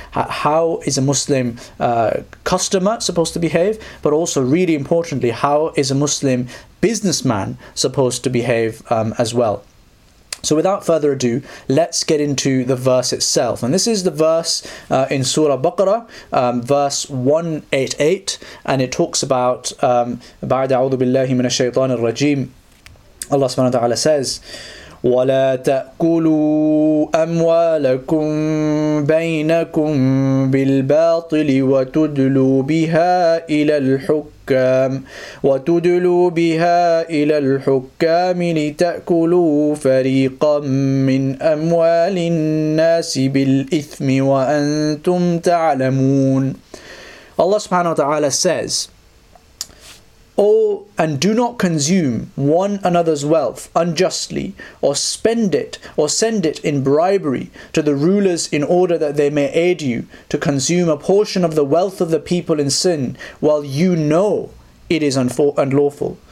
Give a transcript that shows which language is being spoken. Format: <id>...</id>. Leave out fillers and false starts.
<en>How is a Muslim customer supposed to behave? But also, really importantly, how is a Muslim businessman supposed to behave as well? So without further ado, let's get into the verse itself. And this is the verse in Surah Baqarah, verse 188. And it talks about,</en> <ar>بعد أعوذ بالله من الشيطان الرجيم, Allah subhanahu wa ta'ala says, وَلَا تَأْكُلُوا أَمْوَالَكُمْ بَيْنَكُمْ بِالْبَاطِلِ وَتُدْلُوا بِهَا إِلَى الْحُكْمِ وَتُدْلُوا بِهَا إِلَى الْحُكَّامِ لِتَأْكُلُوا فَرِيقًا مِّنْ أَمْوَالِ النَّاسِ بِالْإِثْمِ وَأَنْتُمْ تَعْلَمُونَ.</ar> <en>Allah subhanahu wa ta'ala says, Oh, and do not consume one another's wealth unjustly, or spend it, or send it in bribery to the rulers in order that they may aid you to consume a portion of the wealth of the people in sin, while you know it is unlawful.</en>